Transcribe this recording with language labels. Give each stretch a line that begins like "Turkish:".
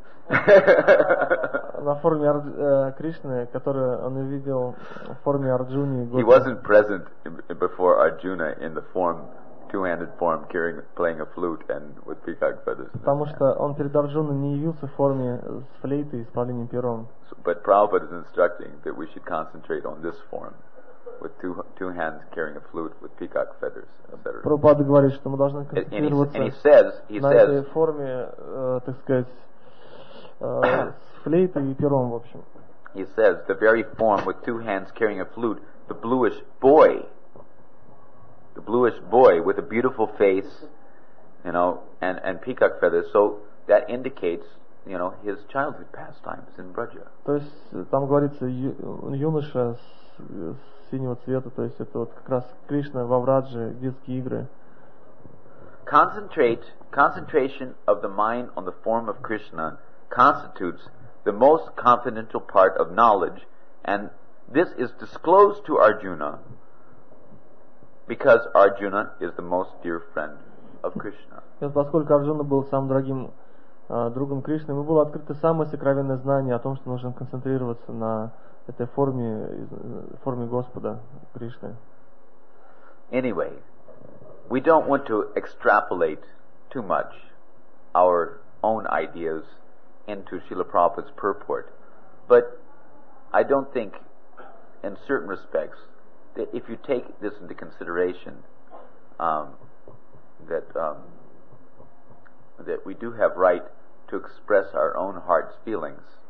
Russian: На форме Кришны, которую он увидел в форме Арджуни.
English: He wasn't present before Arjuna in the form, two-handed form, carrying, playing a flute and with peacock feathers.
Russian: Потому что он перед Арджуной не явился в форме с флейтой и с павлиньим пером.
English: But Prabhupada is instructing that we should concentrate on this form, with two hands carrying a flute with peacock feathers, etc.
Russian: Прабхупада говорит, что мы должны концентрироваться на этой форме, так сказать. С флейтой и пером, в общем.
English: He says, the very form with two hands carrying a flute, the bluish boy with a beautiful face, you know, and peacock feathers, so that indicates, you know, his childhood pastimes in Braja.
Russian: То есть там говорится юноша с синего цвета, то есть это вот как раз Кришна во Врадже, детские игры.
English: Concentration of the mind on the form of Krishna constitutes the most confidential part of knowledge, and this is disclosed to Arjuna because Arjuna is the most dear friend of Krishna.
Russian: Поскольку Арджуна был самым дорогим другом Кришны, ему было открыто самое сокровенное знание о том, что нужно концентрироваться на этой форме Господа Кришны.
English: Anyway, we don't want to extrapolate too much our own ideas into Srila Prabhupada's purport. But I don't think, in certain respects, that if you take this into consideration, that we do have right to express our own heart's feelings.